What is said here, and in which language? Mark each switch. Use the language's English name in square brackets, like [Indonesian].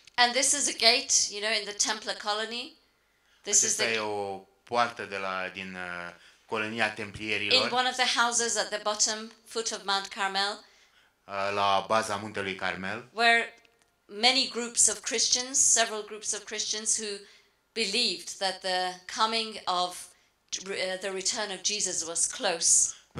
[English] And this is a gate, you know, in the Templar colony. This is the. [Romanian] Acesta e o poartă de la din colonia templierilor. [English] In one of the houses at the bottom foot of Mount Carmel. [Romanian] La baza muntelui Carmel. [English] Where many groups of Christians, several groups of Christians who believed that the coming of the return of Jesus was close.